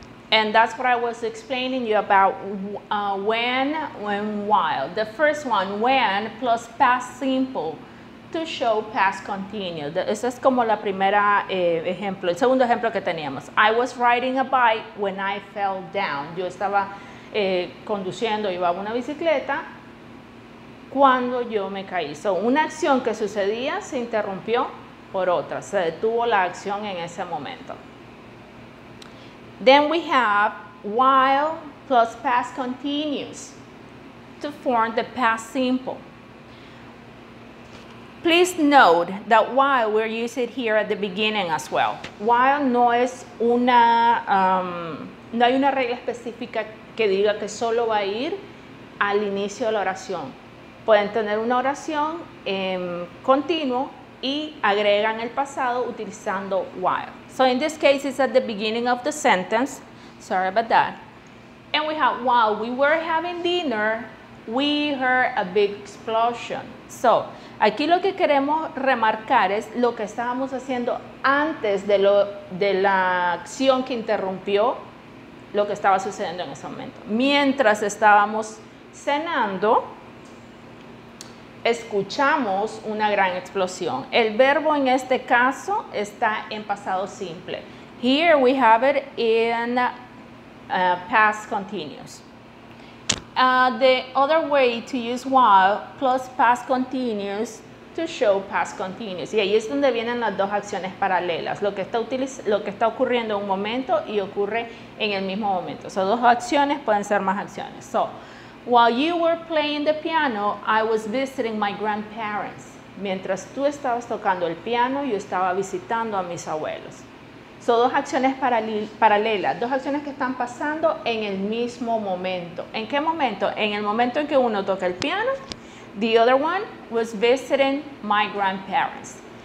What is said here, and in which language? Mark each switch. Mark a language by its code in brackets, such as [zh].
[en] And that's what I was explaining you about when, while. The first one, when plus past simple to show past continuous. [es] Ese es como la primera ejemplo, el segundo ejemplo que teníamos. [en] I was riding a bike when I fell down. [es] Yo estaba conduciendo, iba a una bicicleta cuando yo me caí. So, una acción que sucedía se interrumpió por otra. Se detuvo la acción en ese momento. [en] Then we have while plus past continuous to form the past simple. Please note that while we're using it here at the beginning as well. [es] While no es una, no hay una regla específica que diga que solo va a ir al inicio de la oración. Pueden tener una oración continuo y agregan el pasado utilizando while. [en] So in this case, it's at the beginning of the sentence. Sorry about that. And we have, while we were having dinner, we heard a big explosion. [es] So, aquí lo que queremos remarcar es lo que estábamos haciendo antes de la acción que interrumpió lo que estaba sucediendo en ese momento. Mientras estábamos cenando, escuchamos una gran explosión. El verbo en este caso está en pasado simple. [en] Here we have it in past continuous. The other way to use while plus past continuous to show past continuous. [es] Y ahí es donde vienen las dos acciones paralelas. Lo que está ocurriendo en un momento y ocurre en el mismo momento. So, dos acciones pueden ser más acciones. [en] So, while you were playing the piano, I was visiting my grandparents. [es] Mientras tú estabas tocando el piano, yo estaba visitando a mis abuelos. Son dos acciones paralelas, dos acciones que están pasando en el mismo momento. ¿En qué momento? En el momento en que uno toca el piano, [en] the other one was visiting my grandparents.